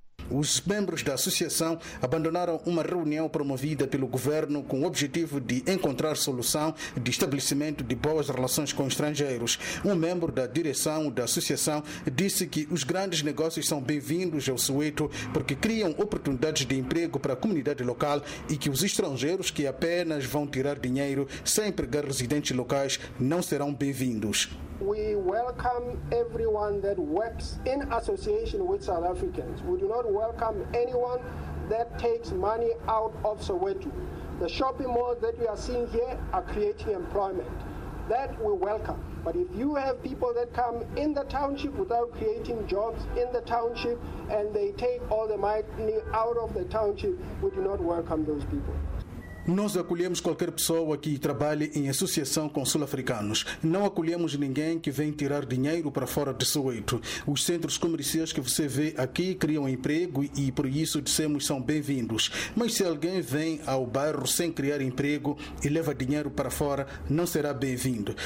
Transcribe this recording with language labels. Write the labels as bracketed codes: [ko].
[pt] Os membros da associação abandonaram uma reunião promovida pelo governo com o objetivo de encontrar solução de estabelecimento de boas relações com estrangeiros. Um membro da direção da associação disse que os grandes negócios são bem-vindos ao Soweto porque criam oportunidades de emprego para a comunidade local e que os estrangeiros que apenas vão tirar dinheiro sem empregar residentes locais não serão bem-vindos. [en] We welcome everyone that works in association with South Africans. We do not welcome anyone that takes money out of Soweto. The shopping malls that we are seeing here are creating employment. That we welcome. But if you have people that come in the township without creating jobs in the township and they take all the money out of the township, we do not welcome those people. [pt] Nós acolhemos qualquer pessoa que trabalhe em associação com sul-africanos. Não acolhemos ninguém que vem tirar dinheiro para fora de Soweto. Os centros comerciais que você vê aqui criam emprego e por isso dissemos são bem-vindos. Mas se alguém vem ao bairro sem criar emprego e leva dinheiro para fora, não será bem-vindo.